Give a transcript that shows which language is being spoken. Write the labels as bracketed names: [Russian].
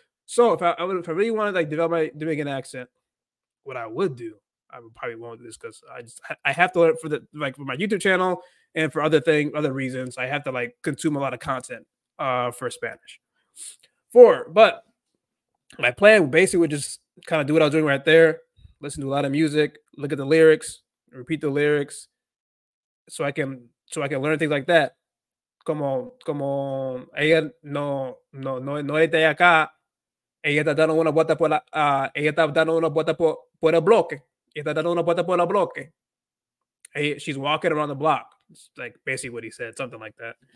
[English] So if I really wanted to like develop my Dominican accent, what I would do, I would probably won't do this because I have to learn for my YouTube channel and for other reasons, I have to like consume a lot of content for Spanish. But my plan basically would just kind of do what I was doing right there, listen to a lot of music, look at the lyrics, repeat the lyrics, so I can learn things like that. [Spanish] Como ella no está acá. Ella está dando una vuelta por el bloque. Ella está dando una vuelta por el bloque. [English] She's walking around the block. It's like basically what he said, something like that.